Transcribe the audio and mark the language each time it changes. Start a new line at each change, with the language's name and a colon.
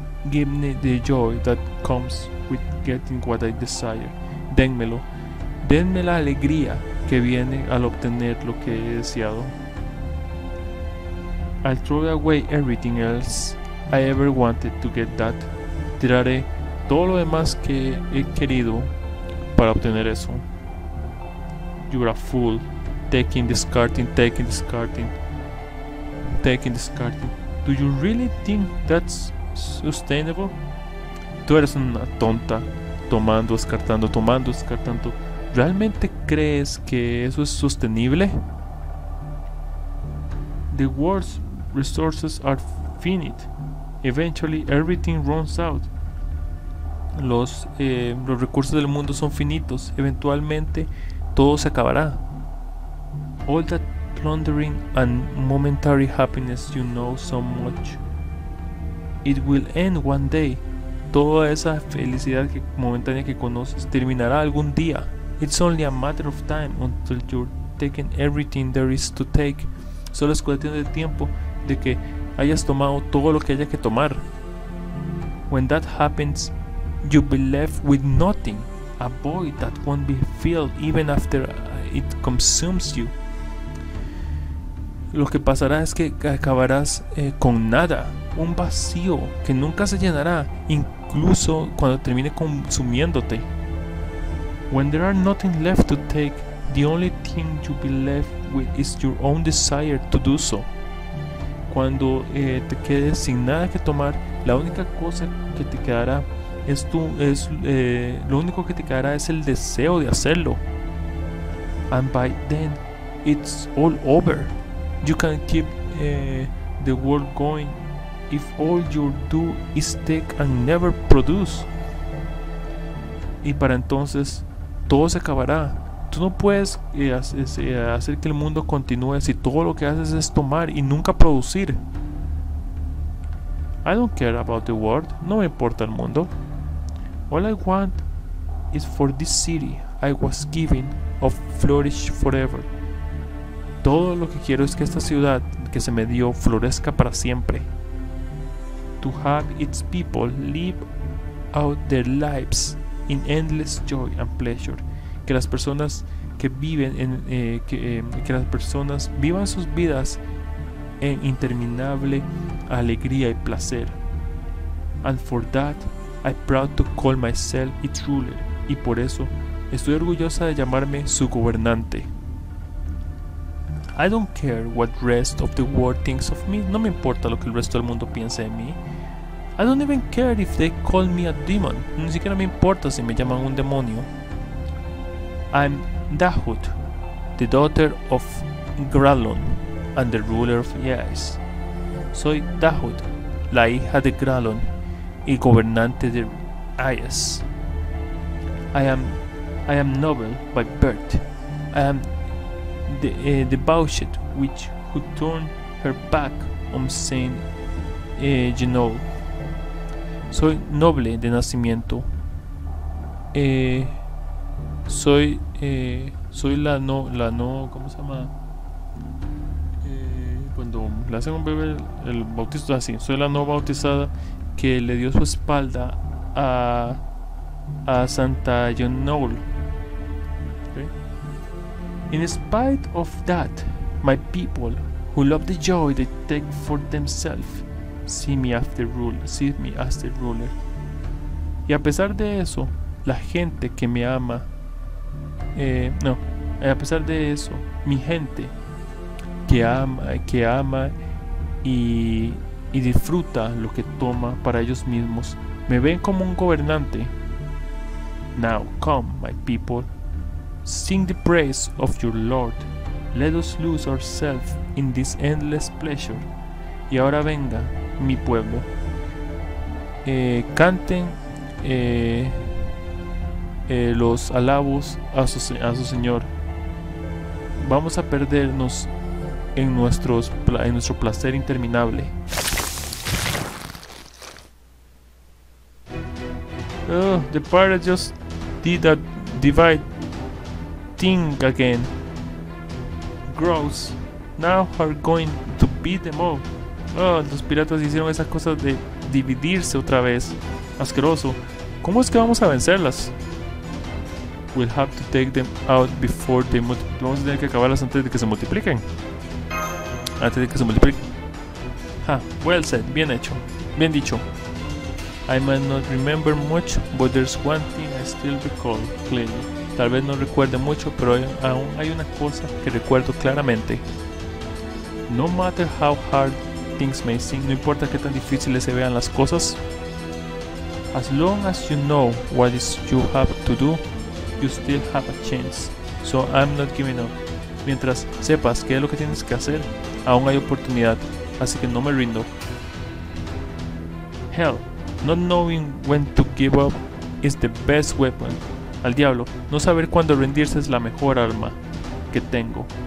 English: Give me the joy that comes with getting what I desire.
Spanish: Dénmelo. Denme la alegría que viene al obtener lo que he deseado.
English: I'll throw away everything else I ever wanted to get that.
Spanish: Tiraré todo lo demás que he querido para obtener eso.
English: You're a fool. Taking, discarding. Do you really think that's sustainable?
Spanish: Tú eres una tonta. Tomando, descartando. ¿Realmente crees que eso es sostenible?
English: The world's resources are finite. Eventually everything runs out.
Spanish: Los recursos del mundo son finitos. Eventualmente todo se acabará.
English: All that plundering and momentary happiness you know so much, it will end one day.
Spanish: Toda esa felicidad que momentánea que conoces terminará algún día.
English: It's only a matter of time until you're taking everything there is to take.
Spanish: Solo es cuestión de tiempo de que hayas tomado todo lo que haya que tomar.
English: When that happens, you'll be left with nothing, a void that won't be filled even after it consumes you.
Spanish: Lo que pasará es que acabarás con nada, un vacío que nunca se llenará, incluso cuando termine consumiéndote.
English: When there are nothing left to take, the only thing you'll be left with is your own desire to do so.
Spanish: Cuando te quedes sin nada que tomar, la única cosa que te quedará es lo único que te quedará es el deseo de hacerlo.
English: and by then it's all over. You can keep the world going if all you do is take and never produce.
Spanish: Y para entonces todo se acabará. Tú no puedes hacer que el mundo continúe si todo lo que haces es tomar y nunca producir.
English: I don't care about the world.
Spanish: No me importa el mundo.
English: All I want is for this city I was given of flourish forever.
Spanish: Todo lo que quiero es que esta ciudad que se me dio florezca para siempre.
English: To have its people live out their lives in endless joy and pleasure.
Spanish: Que las personas que viven en que las personas vivan sus vidas en interminable alegría y placer.
English: And for that I'm proud to call myself its ruler.
Spanish: Y por eso estoy orgullosa de llamarme su gobernante.
English: I don't care what rest of the world thinks of me.
Spanish: No me importa lo que el resto del mundo piense de mí.
English: I don't even care if they call me a demon.
Spanish: Ni siquiera me importa si me llaman un demonio.
English: I'm Dahut, the daughter of Gralon and the ruler of Yaes.
Spanish: Soy Dahut, la hija de Gralon y gobernante de Yaes.
English: I am noble by birth. I am the debauched witch who turned her back on Saint Genoa.
Spanish: Soy noble de nacimiento. Soy la no, ¿cómo se llama? Cuando le hacen un bebé el bautizo, así. Soy la no bautizada que le dio su espalda a Santa Genoa.
English: In spite of that, my people who love the joy they take for themselves see me as the ruler.
Spanish: Y a pesar de eso, la gente que me ama, a pesar de eso, mi gente que ama y disfruta lo que toma para ellos mismos, me ven como un gobernante.
English: Now come, my people. Sing the praise of your Lord. Let us lose ourselves in this endless pleasure.
Spanish: Y ahora venga, mi pueblo. Canten los alabos a su Señor. Vamos a perdernos en nuestro placer interminable.
English: The pirate just did a divide thing again. Gross. Now we're going to beat them up.
Spanish: Los piratas hicieron esas cosas de dividirse otra vez. Asqueroso. ¿Cómo es que vamos a vencerlas?
English: We'll have to take them out before they multiply.
Spanish: Vamos a tener que acabarlas antes de que se multipliquen.
English: Ha, well said.
Spanish: Bien hecho. Bien dicho.
English: I may not remember much, but there's one thing I still recall clearly.
Spanish: Tal vez no recuerde mucho, pero aún hay una cosa que recuerdo claramente.
English: No matter how hard things may seem,
Spanish: no importa qué tan difíciles se vean las cosas.
English: As long as you know what is you have to do, you still have a chance. So I'm not giving up.
Spanish: Mientras sepas qué es lo que tienes que hacer, aún hay oportunidad, así que no me rindo.
English: Hell, not knowing when to give up is the best weapon.
Spanish: Al diablo, no saber cuándo rendirse es la mejor arma que tengo.